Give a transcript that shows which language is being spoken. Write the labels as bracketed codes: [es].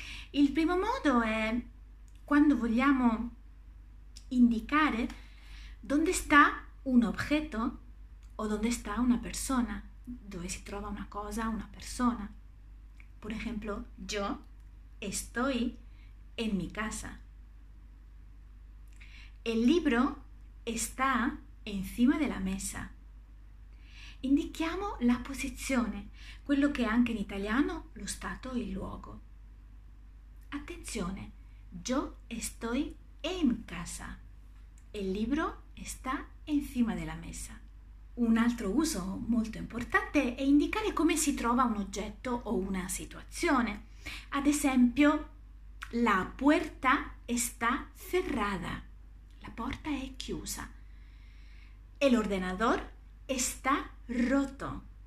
[it] Il primo modo è quando vogliamo indicare dove sta un oggetto o dove sta una persona, dove si trova una cosa, una persona. Per esempio, [es] yo estoy en mi casa. Il libro está encima de la mesa. [it] Indichiamo la posizione, quello che è anche in italiano lo stato e il luogo. Attenzione, [es] yo estoy en casa. El libro está encima de la mesa. [it] Un altro uso molto importante è indicare come si trova un oggetto o una situazione. Ad esempio, [es] la puerta está cerrada. [it] La porta è chiusa. [es] El ordenador está roto.